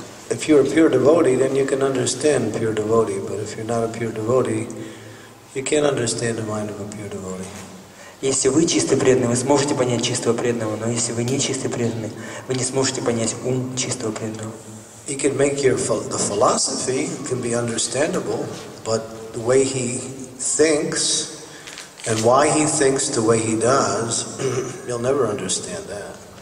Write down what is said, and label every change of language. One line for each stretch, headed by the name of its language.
English: If you're a pure devotee, then you can understand pure devotee, but if you're not a pure devotee, you can't understand the mind of a pure devotee.
Russian: Если вы чистый преданный, вы сможете понять чистого преданного, но если вы не чистый преданный, вы не сможете понять ум чистого преданного.
English: He can make the philosophy can be understandable, but the way he thinks and why he thinks the way he does, you'll never understand that.